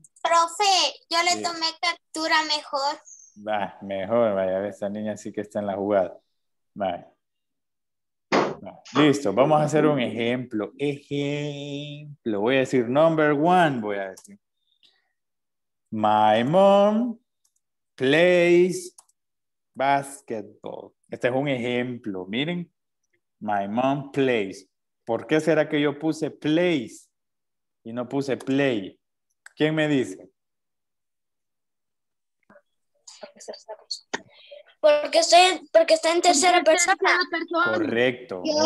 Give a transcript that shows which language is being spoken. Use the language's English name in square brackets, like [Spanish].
[Spanish] Profe, yo le tomé captura mejor. Mejor, vaya. Esta niña sí que está en la jugada. Listo, vamos a hacer un ejemplo. Ejemplo. Voy a decir [English] number one, [Spanish] voy a decir. [English] My mom plays basketball. [Spanish] Este es un ejemplo. Miren. [English] My mom plays. [Spanish] ¿Por qué será que yo puse plays y no puse play? ¿Quién me dice? Porque está en tercera persona. Correcto.